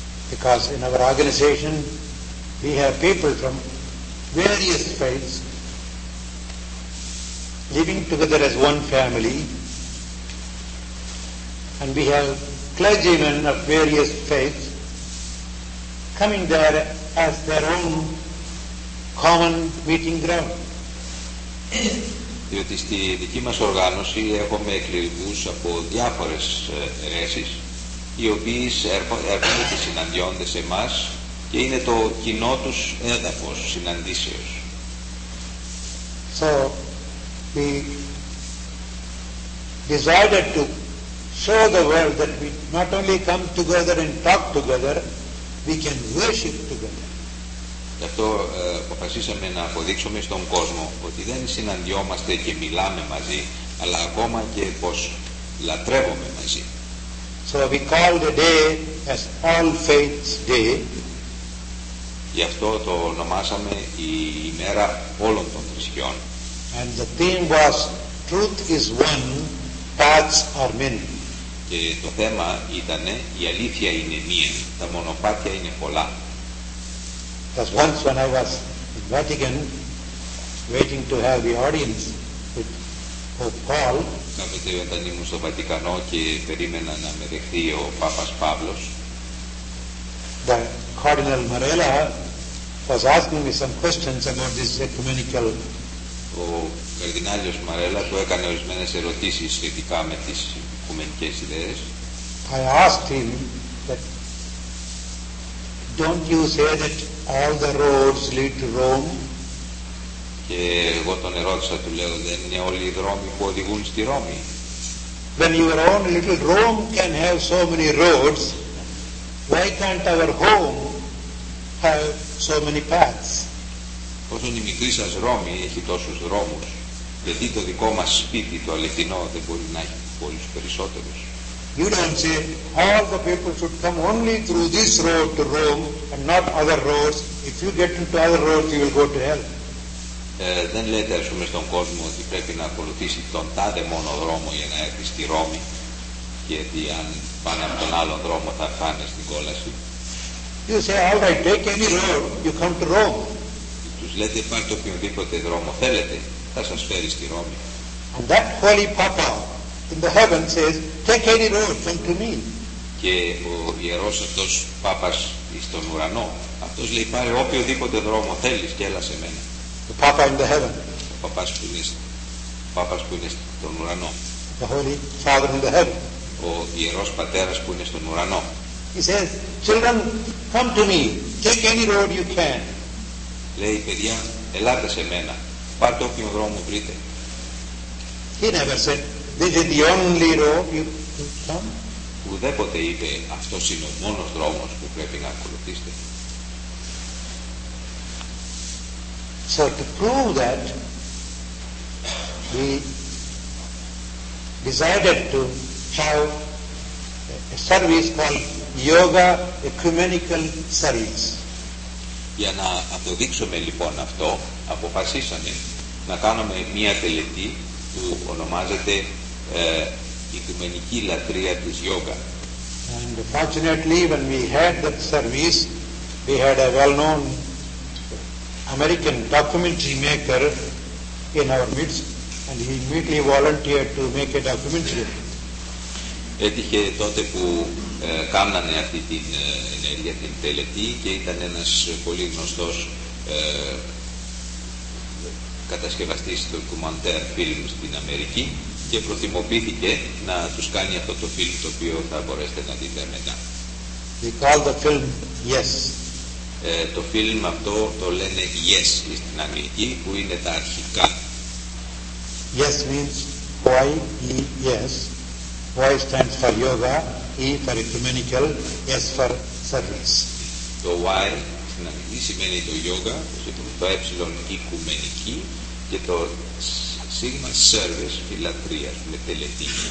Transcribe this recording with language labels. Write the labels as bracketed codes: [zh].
[en] Because in our organization we have people from various faiths living together as one family, and we have clergymen of various faiths coming there as their own common meeting ground. [el] Διότι στη δική μας οργάνωση έχουμε κληρικούς από διάφορες αιρέσεις οι οποίοι έρχονται και συναντιόνται σε εμάς και είναι το κοινό τους έδαφος συναντήσεως. [en] So we decided to show the world that we not only come together and talk together, we can worship together. [el] Γι' αυτό αποφασίσαμε να αποδείξουμε στον κόσμο ότι δεν συναντιόμαστε και μιλάμε μαζί, αλλά ακόμα και πως λατρεύουμε μαζί. [en] So we call the day as All Faiths Day. [el] Γι' αυτό το ονομάσαμε η ημέρα όλων των θρησκειών. [en] And the theme was Truth is One, Paths are Many. [el] Και το θέμα ήταν η αλήθεια είναι μία, τα μονοπάτια είναι πολλά. [en] Because once when I was in Vatican waiting to have the audience with Pope Paul, [el] κάποτε όταν ήμουν στο Βατικανό και περίμενα να με δεχθεί ο Πάπας Παύλος, [en] the Cardinal Marella was asking me some questions about this ecumenical. [el] Ο Καρδινάλιος Μαρέλα του έκανε ορισμένες ερωτήσεις σχετικά με τις οικουμενικές ιδέες. [en] I asked him that don't you say that all the roads lead to Rome? [el] Και εγώ τον ερώτησα, του λέω, δεν είναι όλοι οι δρόμοι που οδηγούν στη Ρώμη? [en] When your own little Rome can have so many roads, why can't our home have so many paths? [el] Όσον η μικρή σας Ρώμη έχει τόσους δρόμους, γιατί το δικό μας σπίτι, το αληθινό, δεν μπορεί να έχει πολλούς περισσότερους? [en] You don't say all the people should come only through this road to Rome and not other roads. If you get into other roads, you will go to hell. [el] Δεν λέτε, ας πούμε, στον κόσμο ότι πρέπει να ακολουθήσει τον τάδε μόνο δρόμο για να έρθει στη Ρώμη, γιατί αν πάνε από τον άλλο δρόμο θα φάνε στην κόλαση. [en] You say, all right, take any road, you come to Rome. [el] Τους λέτε, πάρτε οποιονδήποτε δρόμο θέλετε, θα σας φέρει στη Ρώμη. [en] And that holy Papa in the heaven says, take any road, come to me. [el] Και ο ιερός αυτός Πάπας στον ουρανό, αυτός λέει, πάρε οποιοδήποτε δρόμο θέλεις και έλα σε μένα. [en] The Papa in the heaven. [el] Ο Παπάς που είναι Πάπας που είναι στον ουρανό. [en] The Holy Father in the heaven. [el] Ο Ιερός Πατέρας που είναι στον ουρανό. [en] He says, children, come to me. Take any road you can. [el] Λέει, παιδιά, ελάτε σε μένα. Πάρτε όποιον δρόμο βρείτε. [en] He never said, this is the only road you can come. [el] Ουδέποτε είπε, αυτός είναι ο μόνος δρόμος που πρέπει να ακολουθήσετε. [en] So to prove that, we decided to have a service called Yoga Ecumenical Service. [el] Για να αποδείξουμε λοιπόν αυτό, αποφασίσαμε να κάνουμε μία τελετή που ονομάζεται Οικουμενική Λατρεία της Yoga. [en] And fortunately, when we had that service, we had a well-known American documentary maker in our midst, and he immediately volunteered to make a documentary. [el] Έτυχε τότε που κάμνανε αυτή την ενέργεια, την τελετή, και ήταν ένας πολύ γνωστός κατασκευαστής του ντοκουμαντέρ φιλμ στην Αμερική και προθυμοποιήθηκε να τους κάνει αυτό το φιλμ, το οποίο θα μπορέσετε να δείτε μετά. [en] He called the film Yes. [el] Το φιλμ αυτό το λένε Yes στην Αμερική, που είναι τα αρχικά. [en] Yes means Y-E-S. Y stands for yoga, E for ecumenical, S for service. [el] Το Y στην Αμερική σημαίνει το yoga, το Ε οικουμενική, και το σίγμα service, φιλατρία, με τελετή.